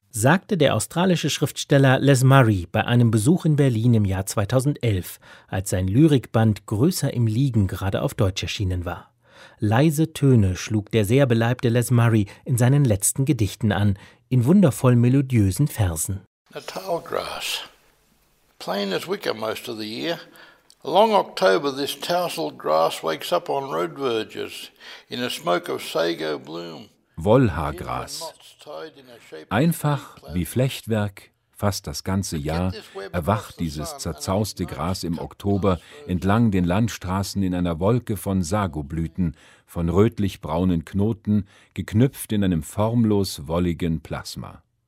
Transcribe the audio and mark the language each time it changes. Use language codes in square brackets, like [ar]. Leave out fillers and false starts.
[de] Sagte der australische Schriftsteller Les Murray bei einem Besuch in Berlin im Jahr 2011, als sein Lyrikband Größer im Liegen gerade auf Deutsch erschienen war. Leise Töne schlug der sehr beleibte Les Murray in seinen letzten Gedichten an, in wundervoll melodiösen Versen. [en] The tall grass, plain as wicker most of the year. Along October this tousled grass wakes up on road verges in a smoke of sago bloom. [de] Wollhaargras. Einfach wie Flechtwerk, fast das ganze Jahr, erwacht dieses zerzauste Gras im Oktober entlang den Landstraßen in einer Wolke von Sagoblüten, von rötlich-braunen Knoten, geknüpft in einem formlos wolligen Plasma.